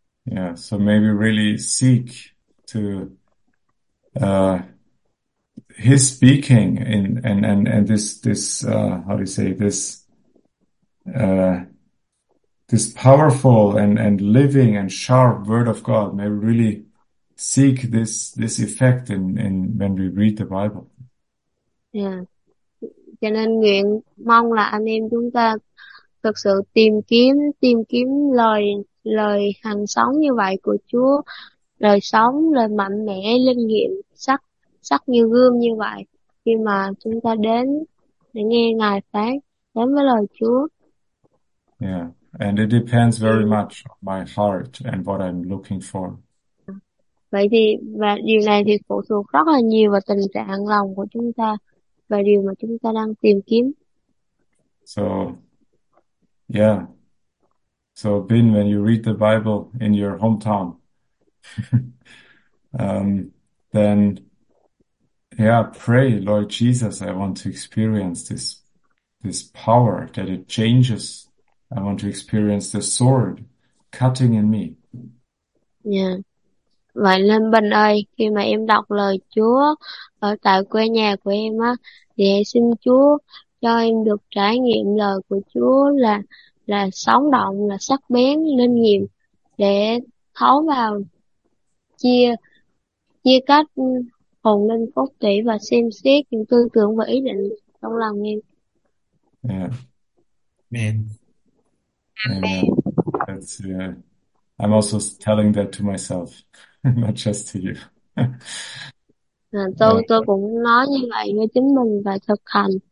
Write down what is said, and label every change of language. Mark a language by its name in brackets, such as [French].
[English] Yeah, so maybe really seek to his speaking in and this how do you say this powerful and living and sharp word of God, maybe really seek this effect in when we read the Bible. [Vietnamese] Cho nên nguyện mong là anh em chúng ta thực sự tìm kiếm lời lời hằng sống như vậy của Chúa, lời sống, lời mạnh mẽ, linh nghiệm, sắc sắc như gươm như vậy, khi mà chúng ta đến để nghe Ngài phán, đến với lời Chúa. [English] Yeah, and it depends very much on my heart and what I'm looking for. [Vietnamese] Vậy thì và điều này thì phụ thuộc rất là nhiều vào tình trạng lòng của chúng ta và điều mà chúng ta đang tìm kiếm. [English] So, yeah. So, Bin, when you read the Bible in your hometown, then, yeah, pray, Lord Jesus, I want to experience this power that it changes. I want to experience the sword cutting in me. [Vietnamese] Vậy nên Bình ơi, khi mà em đọc lời Chúa ở tại quê nhà của em á, thì hãy xin Chúa cho em được trải nghiệm lời của Chúa là sống động, là sắc bén, linh nghiệm, để thấu vào chia chia cắt hồn linh cốt tủy và xem xét những tư tưởng và ý định trong lòng em. [English] Yeah. Man. Amen. Amen. That's I'm also telling that to myself, not just to you. [Vietnamese] Tôi cũng nói như vậy với chính mình và thực hành.